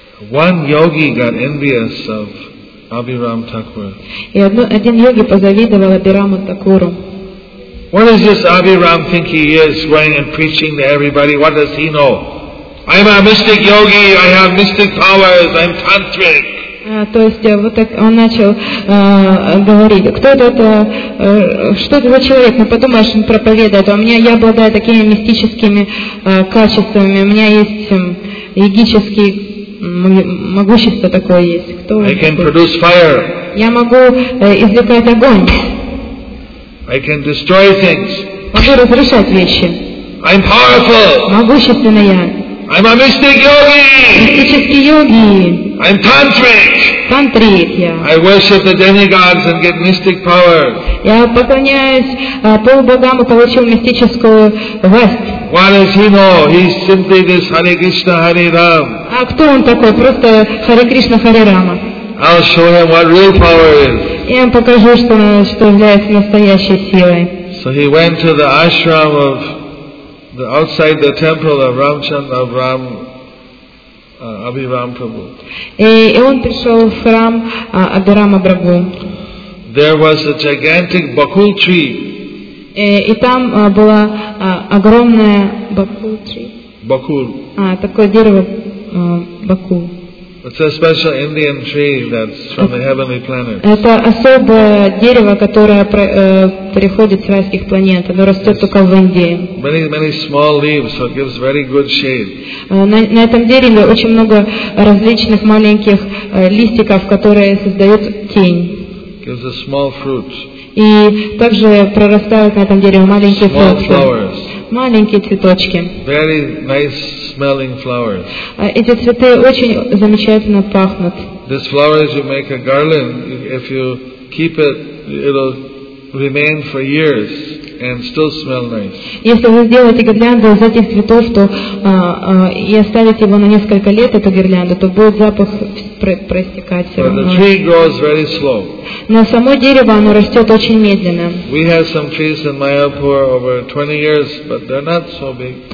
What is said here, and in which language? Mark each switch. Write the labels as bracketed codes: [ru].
[en] One yogi got envious of Abhiram Thakur. [ru] И один йоги позавидовал Абхираму Такуру. [en] What does this Abhiram think he is, going and preaching to everybody? What does he know? I'm a mystic yogi, I have mystic powers, I'm tantric. [ru] То есть вот так он начал говорить, кто это, что это за человек, ну подумаешь, он проповедует, а у меня, я обладаю такими мистическими качествами, у меня есть йогические могущества такое есть. Кто [en] I can produce fire. [ru] Я могу извлекать огонь. [en] I can destroy things. [ru] Могу разрушать вещи. [en] I'm powerful. [ru] Могущественный я. [en] I'm a mystic yogi. [ru] Мистический йоги. [en] I'm tantric. [ru] Тантрик я. [en] I worship the demigods and get mystic powers. [ru] Я поклоняюсь полубогам и получил мистическую власть. [en] What does he know? He's simply this Hare Krishna Hare Rama. [ru] А кто он такой? Просто Харе Кришна Харе Рама. [en] I'll show him what real power is. [ru] Я ему покажу, что является настоящей силой. [en] So he went to the ashram of outside the temple of Ramchandra of Ram Abhiram Prabhu. [ru] И он пришел в храм Абхирама Прабху. [en] There was a gigantic bakul tree. [ru] И там была огромная [en] bakul tree. Bakul. [ru] Такое дерево bakul. [en] It's a special Indian tree that's from the heavenly planet. [ru] Это особое дерево, которое переходит с райских планет. Оно растет только в Индии. [en] Many, many small leaves, so it gives very good shade. [ru] На этом дереве очень много различных маленьких листиков, которые создают тень. [en] Gives a small fruit. [ru] И также прорастают на этом дереве маленькие [en] small [ru] фрукты. [en] Flowers. [ru] Маленькие цветочки. [en] Very nice smelling flowers. [ru] Эти цветы очень замечательно пахнут. [en] These flowers you make a garland. If you keep it, it'll remain for years and still smell nice. [ru] Если вы сделаете гирлянду из этих цветов, то и оставите его на несколько лет, эту гирлянду, то будет запах проистекать все равно. [en] But the tree grows very slow. [ru] Но само дерево, оно растет очень медленно. [en] We have some trees in Mayapur over 20 years, but they're not so big.